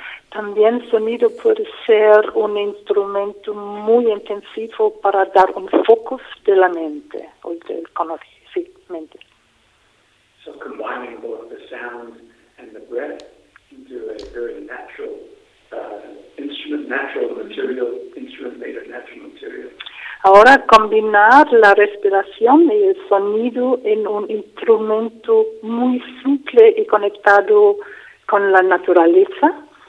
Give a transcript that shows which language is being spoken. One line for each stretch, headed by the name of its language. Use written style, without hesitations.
Spanish: también sonido puede ser un instrumento muy intensivo para dar un foco de la mente o del conocimiento.
English: So combining both the sound and the breath into a very natural instrument, natural material, instrument made of natural material.
Spanish: Ahora combinar la respiración y el sonido en un instrumento muy simple y conectado con la naturaleza.